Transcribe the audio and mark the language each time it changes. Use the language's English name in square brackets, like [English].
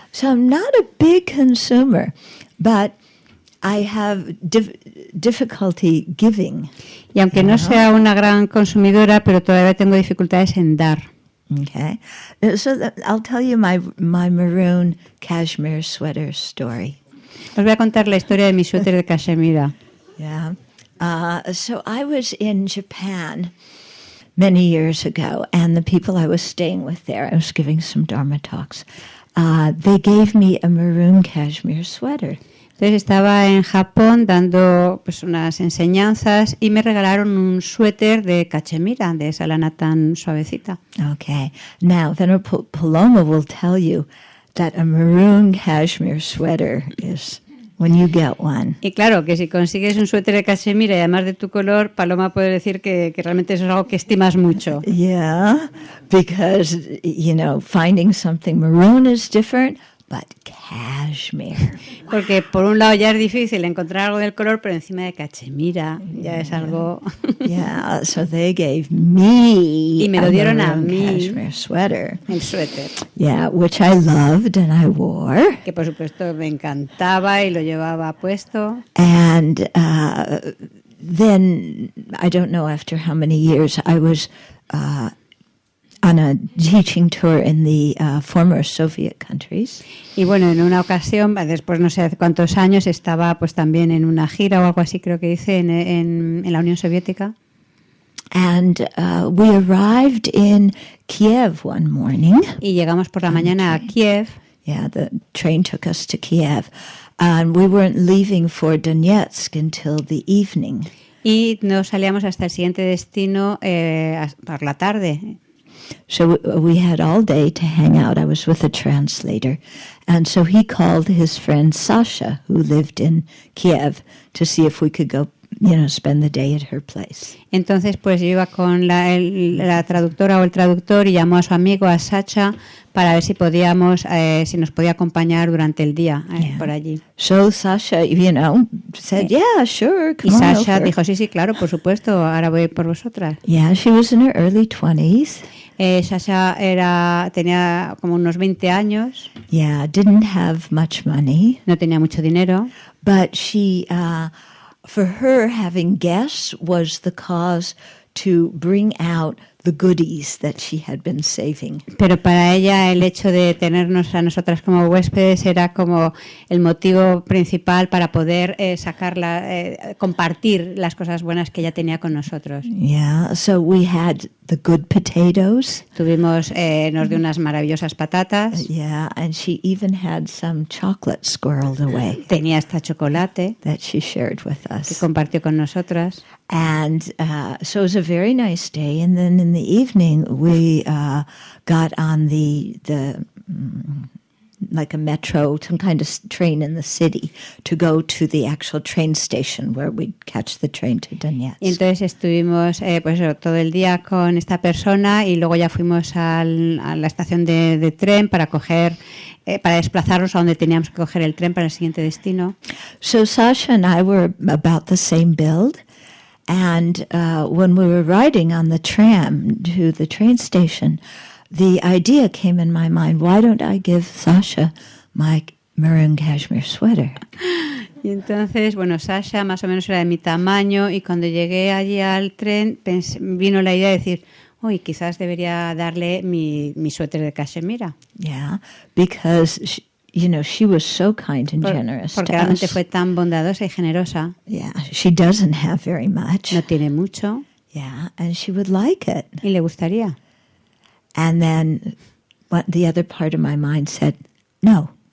[English] So I'm not a big consumer, but I have difficulty giving. [Spanish] Y aunque no sea una gran consumidora, pero todavía tengo dificultades en dar. [English] Okay. So I'll tell you my maroon cashmere sweater story. [Spanish] Os voy a contar la historia de mi suéter de cachemira. [English] Yeah. So I was in Japan many years ago, and the people I was staying with there, I was giving some Dharma talks, they gave me a maroon cashmere sweater. [Spanish] Entonces estaba en Japón dando pues unas enseñanzas y me regalaron un suéter de cachemira, de esa lana tan suavecita. [English] Okay. Now, Venerable Paloma will tell you that a maroon cashmere sweater is... When you get one. [Spanish] Y claro, que si consigues un suéter de cachemira y además de tu color, Paloma puede decir que realmente eso es algo que estimas mucho. [English] Yeah, because, you know, finding something maroon is different, but cashmere. [Spanish] Porque por un lado ya es difícil encontrar algo del color, pero encima de cachemira ya es algo... [English] Yeah, so they gave me, [Spanish] y me lo dieron a mí [English] cashmere sweater. [Spanish] El suéter. [English] Yeah, which I loved and I wore. [Spanish] Que por supuesto me encantaba y lo llevaba puesto. [English] And then, I don't know after how many years, I was... on a teaching tour in the former Soviet countries. [Spanish] Y bueno, en una ocasión, después no sé cuántos años, estaba pues también en una gira o algo así, creo que hice, en la Unión Soviética. [English] And we arrived in Kiev one morning. [Spanish] Y llegamos por la mañana a Kiev. [English] Yeah, the train took us to Kiev. And we weren't leaving for Donetsk until the evening. [Spanish] Y no salíamos hasta el siguiente destino por la tarde. [English] So we had all day to hang out. I was with a translator. And so he called his friend Sasha, who lived in Kiev, to see if we could go, you know, spend the day at her place. [Spanish] Entonces, pues yo iba con la traductora o el traductor y llamó a su amigo, a Sasha, para ver si podíamos, si nos podía acompañar durante el día por allí. [English] So Sasha, you know, said, yeah, sure, come on. [Spanish] Y Sasha dijo, sí, claro, por supuesto, ahora voy por vosotras. [English] Yeah, she was in her early 20s. [Spanish] Sasha tenía como unos 20 años. [English] Yeah, didn't have much money. [Spanish] No tenía mucho dinero. [English] But she, for her, having guests was the cause to bring out the goodies that she had been saving. [Spanish] Pero para ella el hecho de tenernos a nosotras como huéspedes era como el motivo principal para poder compartir las cosas buenas que ella tenía con nosotros. [English] Yeah, so we had the good potatoes. [Spanish] Tuvimos nos dio unas maravillosas patatas. [English] Yeah, and she even had some chocolate squirreled away. [Spanish] Tenía hasta chocolate [English] that she shared with us. [Spanish] Que compartió con nosotras. [English] And so it was a very nice day, and then in the evening we got on the like a metro, some kind of train in the city, to go to the actual train station where we'd catch the train to Donetsk. [Spanish] Y entonces estuvimos pues todo el día con esta persona y luego ya fuimos a la estación de tren para coger para desplazarnos a donde teníamos que coger el tren para el siguiente destino. [English] So Sasha and I were about the same build. And when we were riding on the tram to the train station, the idea came in my mind, why don't I give Sasha my maroon cashmere sweater? [Spanish] Y entonces, bueno, Sasha más o menos era de mi tamaño y cuando llegué allí al tren vino la idea de decir, uy, quizás debería darle mi suéter de cashmere. [English] Yeah, because she was so kind and generous. [Spanish] Porque realmente fue tan bondadosa y generosa. [English] Yeah, she doesn't have very much. [Spanish] No tiene mucho. [English] Yeah, and she would like it. [Spanish] Y le gustaría. [English] And then what the other part of my mind said, no.